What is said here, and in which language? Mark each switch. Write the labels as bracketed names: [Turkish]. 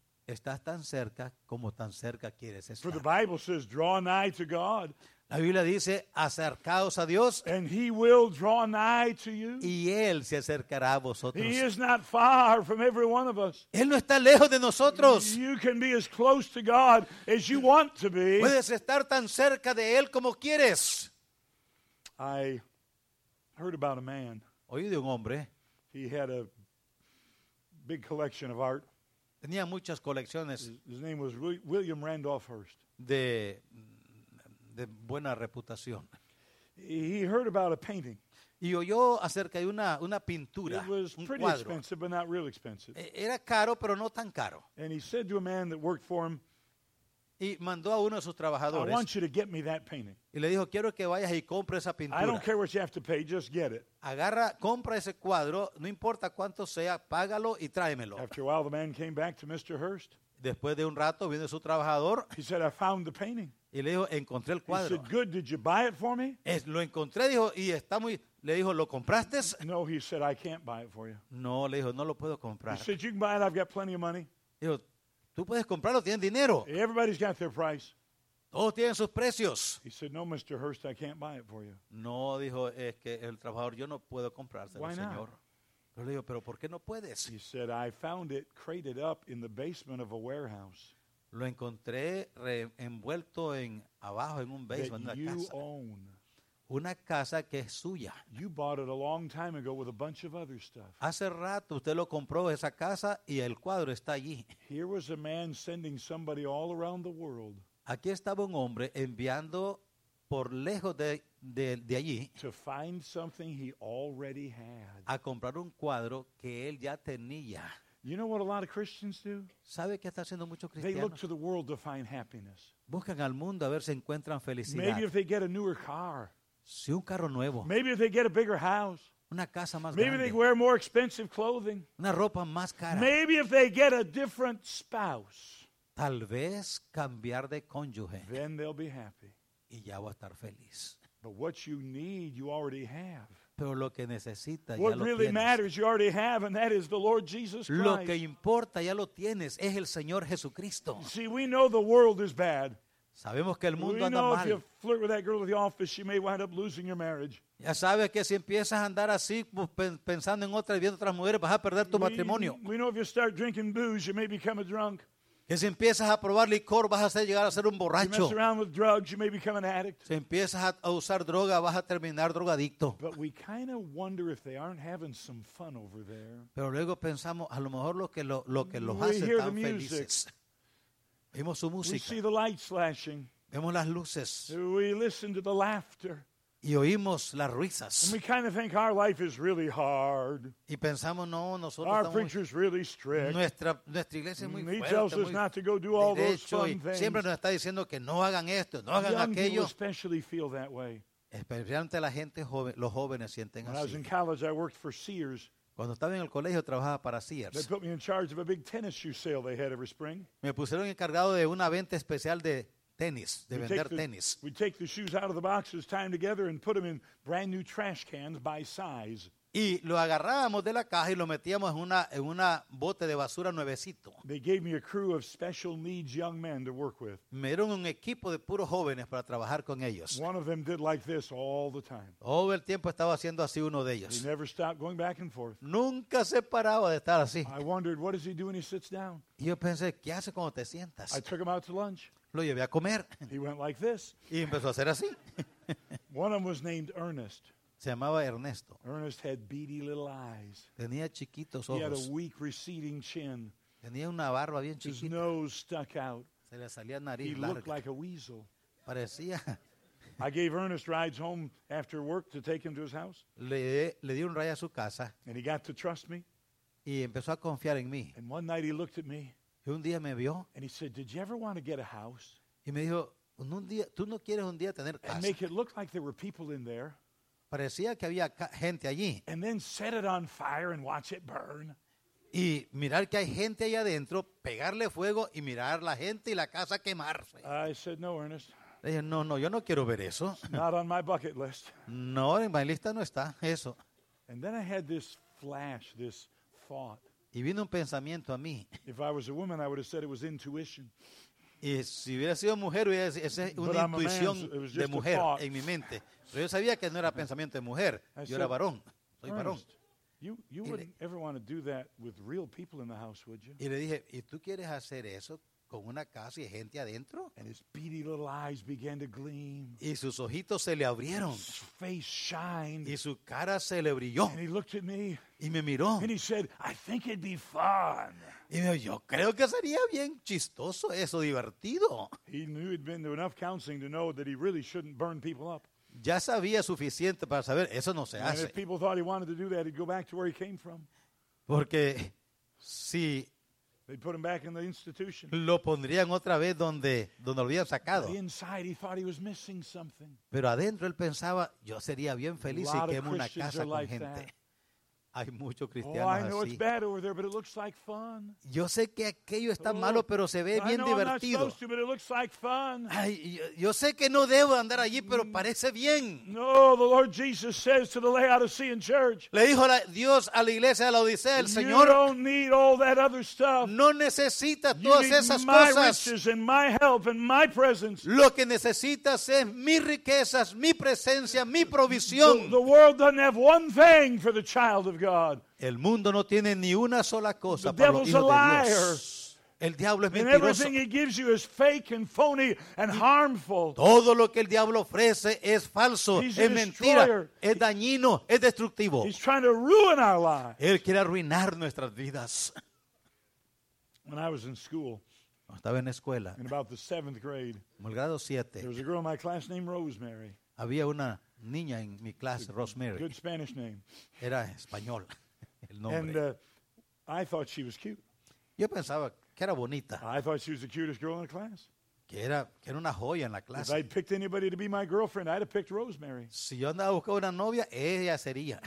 [Spanish] Estás tan cerca como tan cerca quieres estar. [English] For the Bible says, draw nigh to God. [Spanish] La Biblia dice, acercaos a Dios. [English] And he will draw nigh to you. [Spanish] Y él se acercará a vosotros. [English] He is not far from every one of us. [Spanish] Él no está lejos de nosotros. [English] You can be as close to God as you want to be. [Spanish] Puedes estar tan cerca de él como quieres. [English] I heard about a man. [Spanish] Oí de un hombre. [English] He had a big collection of art. [Spanish] Tenía muchas colecciones. [English] His name was William Randolph Hearst. [Spanish] De buena reputación. [English] He heard about a painting. [Spanish] Y oyó acerca de una pintura, un cuadro. [English] It was pretty expensive, but not real expensive. [Spanish] Era caro, pero no tan caro. [English] And he said to a man that worked for him, [Spanish] y mandó a uno de sus trabajadores. [English] I want you to get me that painting. [Spanish] Y le dijo, quiero que vayas y compres esa pintura. [English] I don't care what you have to pay, just get it. [Spanish] Agarra, compra ese cuadro, no importa cuánto sea, págalo y tráemelo. [English] After a while, the man came back to Mr. Hearst. [Spanish] Después de un rato, vino su trabajador. [English] He said, I found the painting. [Spanish] Y le dijo, encontré el cuadro. [English] He said, good, did you buy it for me? [Spanish] Es, lo encontré, dijo, y está muy... Le dijo, ¿lo compraste? [English] No, he said, I can't buy it for you. [Spanish] No, le dijo, no lo puedo comprar. [English] He said, you can buy it, I've got plenty of money. [Spanish] Dijo, tú puedes comprarlo, tienes dinero. [English] Everybody's got their price. [Spanish] Todos tienen sus precios. [English] He said, no, Mr. Hearst, I can't buy it for you. [Spanish] No, dijo, es que el trabajador, yo no puedo comprárselo, señor. Yo le dijo, pero ¿por qué no puedes? [English] He said, I found it crated up in the basement of a warehouse. [Spanish] Lo encontré envuelto en abajo, en un basement, [English] that [Spanish] una [English] you [Spanish] casa. [English] Own. [Spanish] Una casa que es suya. [English] You bought it a long time ago with a bunch of other stuff. [Spanish] Hace rato usted lo compró esa casa y el cuadro está allí. [English] Here was a man sending somebody all around the world. [Spanish] Aquí estaba un hombre enviando por lejos de allí. [English] To find something he already had. [Spanish] A comprar un cuadro que él ya tenía. [English] You know what a lot of Christians do? [Spanish] ¿Sabe qué está haciendo muchos cristianos? [English] They look to the world to find happiness. [Spanish] Buscan al mundo a ver si encuentran felicidad. [English] Maybe if they get a newer car. [Spanish] Si un carro nuevo. [English] Maybe if they get a bigger house. [Spanish] Una casa más [English] Maybe [Spanish] grande. [English] They wear more expensive clothing. [Spanish] Una ropa más cara. [English] Maybe if they get a different spouse. [Spanish] Tal vez cambiar de cónyuge. [English] Then they'll be happy. [Spanish] Y ya va a estar feliz. [English] But what you need, you already have. [Spanish] Pero lo que necesita, [English] what [Spanish] ya [English] really [Spanish] lo [English] matters, you already have, and that is the Lord Jesus Christ. [Spanish] Lo que importa, ya lo tienes, es el Señor Jesucristo. [English] See, we know the world is bad. [Spanish] Sabemos que el mundo anda mal. [English] If you flirt with that girl at the office, you may wind up losing your marriage. [Spanish] Ya sabes que si empiezas a andar así, pensando en otras, viendo otras mujeres, vas a perder tu matrimonio. [English] We know if you start drinking booze, you may become a drunk. [Spanish] Que si empiezas a probar licor, vas a llegar a ser un borracho. [English] You mess around with drugs, you may become an addict. [Spanish] Si empiezas a usar droga, vas a terminar drogadicto. [English] But we kind of wonder if they aren't having some fun over there. [Spanish] Pero luego pensamos, a lo mejor lo que los hace tan felices. [English] We hear the music. [Spanish] Vemos su música. [English] We see the light slashing. [Spanish] Vemos las luces. [English] We listen to the laughter. [Spanish] Y oímos las risas. [English] And we kind of think our life is really hard. [Spanish] Y pensamos, no, nosotros [English] our [Spanish] estamos, [English] preacher's really strict. [Spanish] Nuestra iglesia es muy fuerte. [English] He tells us not to go do all those fun things. [Spanish] Siempre nos está diciendo que no hagan esto, no hagan aquello. [English] Young people especially feel that way. [Spanish] Especialmente la gente joven, los jóvenes sienten [English] When [Spanish] así. [English] I was in college, I worked for Sears. [Spanish] Cuando estaba en el colegio trabajaba para Sears. [English] They put me in charge of a big tennis shoe sale they had every spring. [Spanish] Me pusieron encargado de una venta especial de tenis, de [English] we'd [Spanish] vender tenis. [English] We take the shoes out of the boxes, tie them together, and put them in brand new trash cans by size. [Spanish] Y lo agarrábamos de la caja y lo metíamos en una bote de basura nuevecito. [English] They gave me a crew of special needs young men to work with. [Spanish] Me dieron un equipo de puros jóvenes para trabajar con ellos. [English] One of them did like this all the time. [Spanish] Todo el tiempo estaba haciendo así uno de ellos. [English] He never stopped going back and forth. [Spanish] Nunca se paraba de estar así. [English] I wondered, what does he do when he sits down? [Spanish] Y yo pensé, ¿qué hace cuando te sientas? [English] I took him out to lunch. [Spanish] Lo llevé a comer. [English] He went like this. [Spanish] Y empezó a hacer así. [English] One of them was named Ernest. [Spanish] Se llamaba Ernesto. [English] Ernest had beady little eyes. [Spanish] Tenía chiquitos ojos. [English] He had a weak receding chin. [Spanish] Tenía una barba bien chiquita. [English] His nose stuck out. [Spanish] Se le salía nariz [English] He [Spanish] larga. [English] He looked like a weasel. [Spanish] Parecía. [English] I gave Ernest rides home after work to take him to his house. [Spanish] Le di un ride a su casa. [English] And he got to trust me. [Spanish] Y empezó a confiar en mí. [English] And one night he looked at me. [Spanish] Y un día me vio. [English] And he said, did you ever want to get a house? [Spanish] Y me dijo, un día, ¿tú no quieres un día tener casa? [English] And make it look like there were people in there. [Spanish] Parecía que había gente allí. [English] And then set it on fire and watch it burn. [Spanish] Y mirar que hay gente allá adentro, pegarle fuego y mirar la gente y la casa quemarse. [English] I said, no, Ernest. [Spanish] Le dije, no, yo no quiero ver eso. [English] It's not on my bucket list. [Spanish] No, en mi lista no está eso. [English] And then I had this flash, this thought. [Spanish] Y vino un pensamiento a mí. [English] If I was a woman, I would have said it was intuition. [Spanish] Y si hubiera sido mujer, hubiera sido esa una [English] But [Spanish] intuición [English] man, [Spanish] de mujer en mi mente. Pero yo sabía que no era pensamiento de mujer. Yo era varón. Soy varón. [English] You wouldn't ever want to do that with real people in the house, would you? [Spanish] Y le dije, ¿y tú quieres hacer eso con una casa y gente adentro. [English] And his beady little eyes began to gleam. [Spanish] Y sus ojitos se le abrieron. [English] His face shined. [Spanish] Y su cara se le brilló. [English] And he looked at me. [Spanish] Y me miró. [English] And he said, "I think it'd be fun." [Spanish] Y me dijo, "Yo creo que sería bien chistoso eso, divertido." [English] He knew he'd been through enough counseling to know that he really shouldn't burn people up. [Spanish] Ya sabía suficiente para saber eso no se [English] and [Spanish] hace. [English] And if people thought he wanted to do that, he'd go back to where he came from. [Spanish] Porque si [English] they put him back in the institution. [Spanish] Lo pondrían otra vez donde lo habían sacado. [English] But inside he thought he was missing something. [Spanish] Pero adentro él pensaba, yo sería bien feliz si quemo una casa con gente. Hay muchos cristianos así. [English] Oh, I know it's bad over there, but it looks like fun. [Spanish] Yo sé que aquello está malo, pero se ve bien divertido. [English] I'm not supposed to, but it looks like fun. [Spanish] Ay, yo sé que no debo andar allí, pero parece bien. [English] No, the Lord Jesus says to the Laodicean church. [Spanish] Le dijo Dios a la iglesia de la Odisea, el Señor. [English] You don't need all that other stuff. [Spanish] No necesitas todas esas cosas. [English] You need my riches and my help and my presence. [Spanish] Lo que necesitas es mis riquezas, mi presencia, mi provisión. [English] The world doesn't have one thing for the child of God. [Spanish] El mundo no tiene ni una sola cosa para los hijos de Dios. El diablo es mentiroso. [English] And everything he gives you is fake and phony and harmful. [Spanish] Todo lo que el diablo ofrece es falso, es mentira, es dañino, es destructivo. [English] He's trying to ruin our lives. [Spanish] Él quiere arruinar nuestras vidas. [English] When I was in school, [Spanish] estaba en la escuela, [English] in about the seventh grade, [Spanish] el grado 7, [English] there was a girl in my class named Rosemary. [Spanish] Había una niña en mi clase, Rosemary. [English] Good Spanish name. [Spanish] Era español el nombre. [English] And I thought she was cute. [Spanish] Yo pensaba que era bonita. [English] I thought she was the cutest girl in the class. [Spanish] Que era una joya en la clase. [English] If I'd picked anybody to be my girlfriend, I'd have picked Rosemary. [Spanish] Si yo andaba buscando una novia, ella sería.